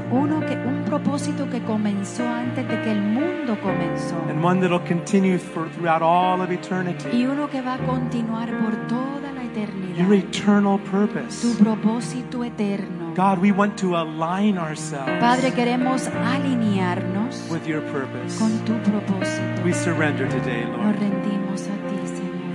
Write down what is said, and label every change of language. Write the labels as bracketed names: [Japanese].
[Spanish] Uno que, un propósito que comenzó antes de que el mundo comenzó. [English] And one that will continue for, throughout all of eternity. [Spanish] Y uno que va a continuar por toda la eternidad. [English] Your eternal purpose. [Spanish] Tu propósito eterno. [English] God, we want to align ourselves, [Spanish] Padre, queremos alinearnos [English] with your purpose. [Spanish] Con tu propósito. [English] We surrender today, Lord. [Spanish] Nos rendimos a ti, Señor.